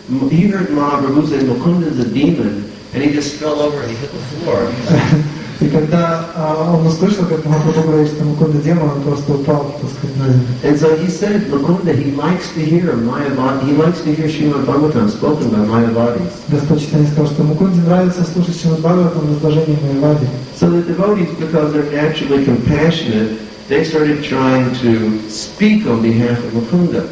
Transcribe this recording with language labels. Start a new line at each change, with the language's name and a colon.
English: He heard Махапрабху say, Мукунда is a demon, and he just fell over and he hit the floor.
Russian: И когда он услышал, как Махапрабху говорит, что Мукунда демон, он просто упал, так сказать, на землю.
English: And so he said, Mukunda, he likes to hear Srimad Bhagavatam spoken by Mayavadis.
Russian: Господь Читания сказал, что Мукунде нравится слушать Шримад Бхагаватам в изложении Майявади.
English: So the devotees, because they're naturally compassionate, they started trying to speak on behalf of Mukunda.